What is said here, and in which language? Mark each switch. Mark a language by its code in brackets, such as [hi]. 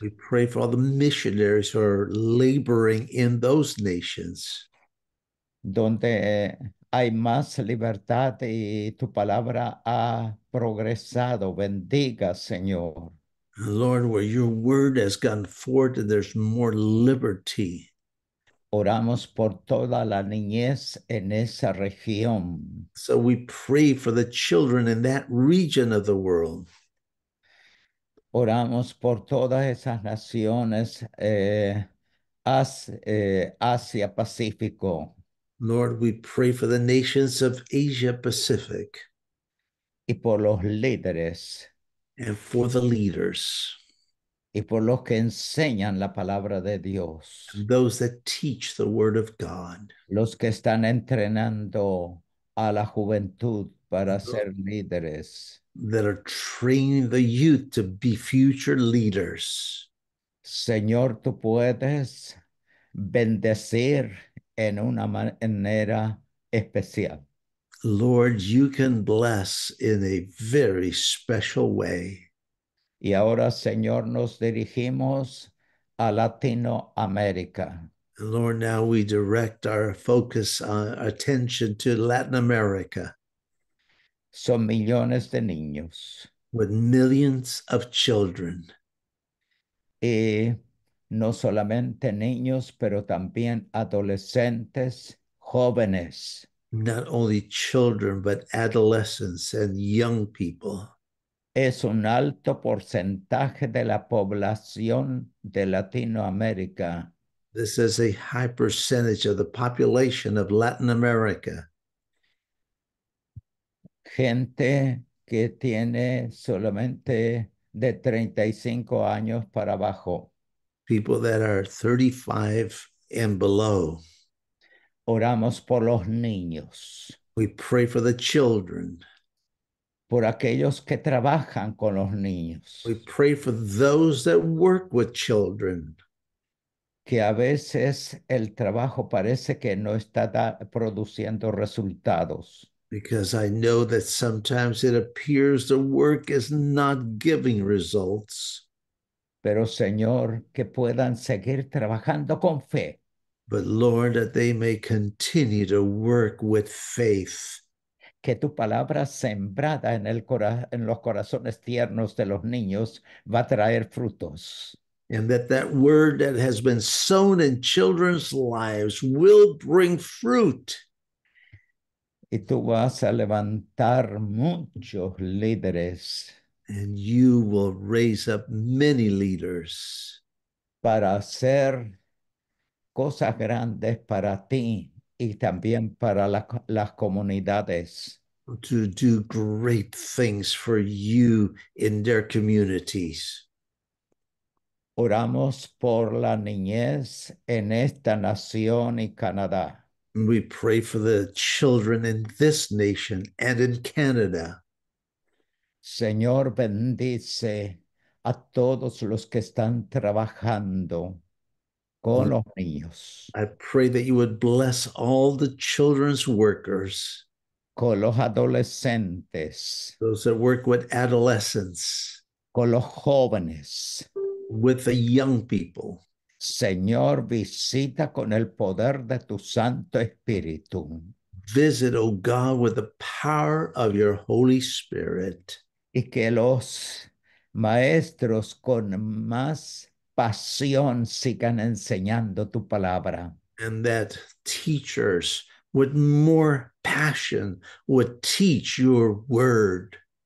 [en] We pray for all the missionaries who are laboring in those nations. [es] Donde hay más libertad y tu palabra ha progresado. Bendiga, Señor. [en] Lord, where your word has gone forth and there's more liberty. [es] Oramos por toda la niñez en esa región. [en] So we pray for the children in that region of the world. [es] Oramos por todas esas naciones, Asia Pacífico. [en] Lord, we pray for the nations of Asia Pacific [es] Y por los líderes. [en] and for the leaders, [es] Y por los que enseñan la palabra de Dios. [en] and those that teach the word of God. [es] Los que están entrenando a la juventud para ser líderes. [en] That are training the youth to be future leaders. [es] Señor, tú puedes bendecir en una manera especial. [en] Lord, you can bless in a very special way. [es] Y ahora, Señor, nos dirigimos a Latinoamérica. [en] Lord, now we direct our focus, our attention to Latin America. [es] Son millones de niños. [en] With millions of children. [es] Y no solamente niños, pero también adolescentes, jóvenes. [en] Not only children, but adolescents and young people. [es] Es un alto porcentaje de la población de Latinoamérica. [en] This is a high percentage of the population of Latin America. [es] Gente que tiene solamente de 35 años para abajo. [en] People that are 35 and below. [es] Oramos por los niños, [en] We pray for the children. [es] por aquellos que trabajan con los [en] We [es] niños, [en] pray for those that work with children. [es] que a veces el trabajo parece que no está produciendo resultados. [en] Because I know that sometimes it appears the work is not giving results. [es] Pero Señor, que puedan seguir trabajando con fe. [en] But Lord, that they may continue to work with faith. [es] Que tu palabra sembrada en el cora en los corazones tiernos de los niños va a traer frutos. [en] And that word that has been sown in children's lives will bring fruit. [es] Y tú vas a levantar muchos líderes [en] And you will raise up many leaders. [es] para hacer cosas grandes para ti y también para las comunidades. [en] To do great things for you in their communities. [es] Oramos por la niñez en esta nación y Canadá. [en] We pray for the children in this nation and in Canada. [es] Señor, bendice a todos los que están trabajando con los niños, [en] I pray that you would bless all the children's workers. [es] con los adolescentes, [en] Those that work with adolescents, [es] con los jóvenes. [en] with the young people. [es] Señor, visita con el poder de tu Santo Espíritu. [en] Visit, O God, with the power of your Holy Spirit. [es] Y que los maestros con más pasión sigan enseñando tu palabra. [en] And that teachers with more passion would teach your word.